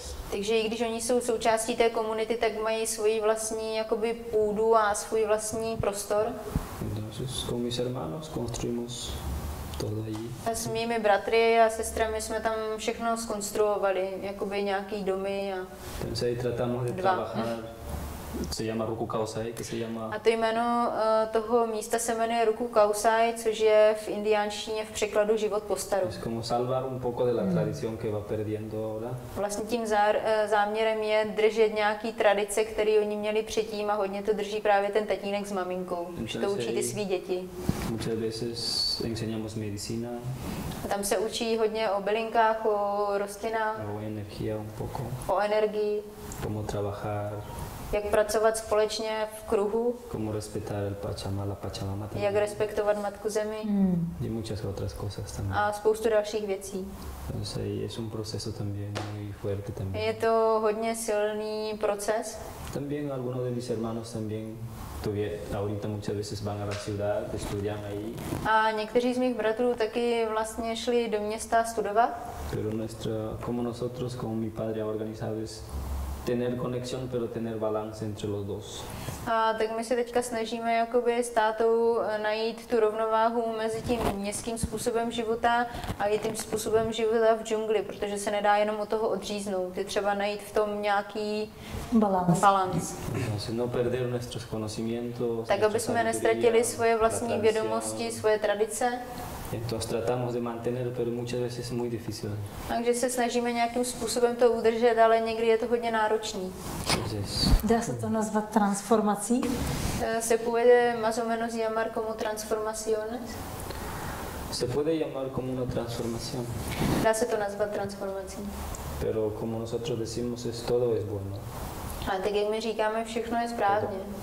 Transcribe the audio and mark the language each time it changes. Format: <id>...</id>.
<cs>Takže i když oni jsou součástí té komunity, tak mají svoji vlastní jakoby půdu a svůj vlastní prostor.</cs> <es>Entonces, con mis hermanos construimos todo allí.</es> <cs>A s mými bratry a sestrami jsme tam všechno zkonstruovali, jakoby nějaký domy a dva.</cs> <es>Se llama Ruku Kausai, que se llama...</es> <cs>A to jméno toho místa se jmenuje Ruku Kausai, což je v indiánštině v překladu život postaru.</cs> <es>Es como salvar un poco de la tradición que va perdiendo ahora.</es> <cs>Vlastně tím záměrem je držet nějaký tradice, které oni měli předtím a hodně to drží právě ten tatínek s maminkou. Už to učí ty svý děti.</cs> <es>Muchas veces enseñamos medicina.</es> <cs>A tam se učí hodně o bylinkách, o rostlinách.</cs> <es>O energía un poco.</es> <cs>O energii.</cs> <es>Como trabajar.</es> <cs>Jak pracovat společně v kruhu?</cs> <es>Como respetar el Pachamama, Pachamama.</es> <cs>Jak respektovat matku zemi?</cs> <es>Y muchas otras cosas también.</es> <cs>A spoustu dalších věcí.</cs> <es>Es un proceso también muy fuerte también.</es> <cs>Je to hodně silný proces.</cs> <es>También algunos de mis hermanos también ahorita muchas veces van a la ciudad, estudian ahí.</es> <cs>A někteří z mých bratrů taky vlastně šli do města studovat.</cs> <es>Pero nuestro, como nosotros, como mi padre ha organizado es tener conexión, pero tener balance entre los dos.</es> <cs>A tak my se teďka snažíme jakoby s tátou najít tu rovnováhu mezi tím městským způsobem života a i tím způsobem života v džungli, protože se nedá jenom od toho odříznout. Je třeba najít v tom nějaký balans.</cs> <es>No perder nuestros conocimientos.</es> <cs>Tak aby jsme nestratili svoje vlastní vědomosti, svoje tradice.</cs> <es>Entonces tratamos de mantener, pero muchas veces es muy difícil.</es> <cs>Takže se snažíme nějakým způsobem to udržet, ale někdy je to hodně náročný. Dá se to nazvat transformací?</cs> <es>Se puede más o menos llamar como transformaciones? Se puede llamar como una transformación.</es> <cs>Dá se to nazvat transformací?</cs> <es>Pero como nosotros decimos, es todo es bueno.</es> <cs>A tak jak my říkáme, všechno je správně.</cs>